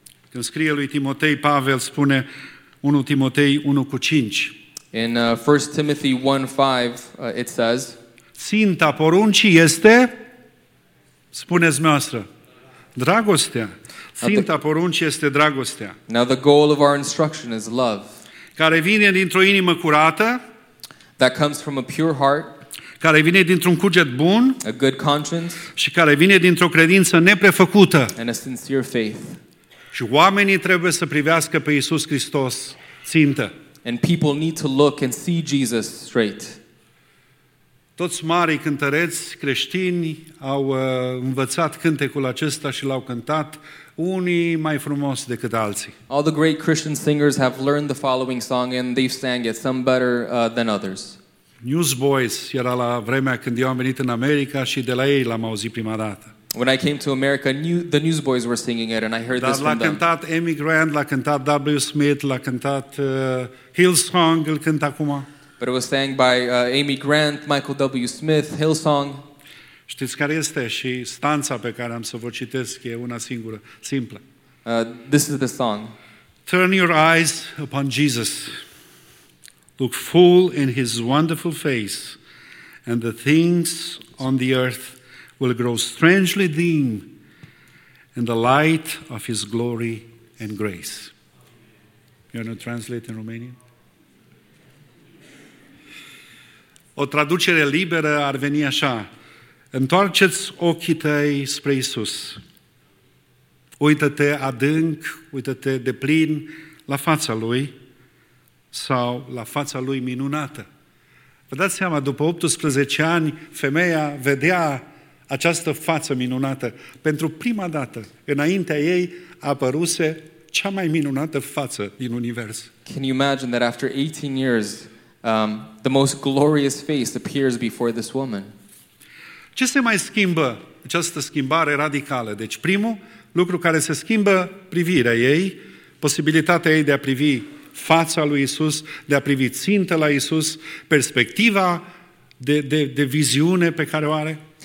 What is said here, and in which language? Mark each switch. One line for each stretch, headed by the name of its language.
Romanian: Când scrie lui Timotei, Pavel spune 1 Timotei 1 cu 5.
English: In 1 Timothy 1, 5, it says,
Romanian: ținta poruncii este, spuneți noastră, dragostea. Ținta poruncii este dragostea.
English: Now the goal of our instruction is love.
Romanian: Care vine dintr-o inimă curată.
English: That comes from a pure heart.
Romanian: Care vine dintr-un cuget bun.
English: A good conscience.
Romanian: Și care vine dintr-o credință neprefăcută.
English: And a sincere faith.
Romanian: Și oamenii trebuie să privească pe Iisus Hristos țintă.
English: And people need to look and see Jesus straight.
Romanian: Toți marii cântăreți creștini au învățat cântecul acesta și l-au cântat unii mai frumos decât alții.
English: All the great Christian singers have learned the following song and they've sang it, some better than others.
Romanian: Newsboys era la vremea când eu am venit în America și de la ei l-am auzit prima dată.
English: When I came to America, the Newsboys were singing it and I heard
Romanian: Dar
English: this from
Romanian: l-a cântat
English: them.
Romanian: Amy Grant, l-a cântat W. Smith, l-a cântat Hillsong, îl cânt acum.
English: But it was sang by Amy Grant, Michael W. Smith, Hillsong.
Romanian: Știți care este și stanța pe care am să vă citesc e una singură, simplă.
English: This is the song. Turn your eyes upon Jesus. Look full in his wonderful face and the things on the earth will grow strangely dim in the light of his glory and grace. You want to translate in Romanian?
Romanian: O traducere liberă ar veni așa: întoarce-ți ochii tăi spre Iisus. Uită-te adânc, uită-te deplin la fața Lui sau la fața Lui minunată. Vă dați seama, după 18 ani, femeia vedea această față minunată. Pentru prima dată, înaintea ei, apăruse cea mai minunată față din univers.
English: Can you imagine that after 18 years, the most glorious face appears before this woman?
Romanian: Ce se mai schimbă? Această schimbare radicală. Deci primul lucru care se schimbă, privirea ei, posibilitatea ei de a privi fața lui Iisus, de a privi țintă la Iisus, perspectiva de viziune pe care o are.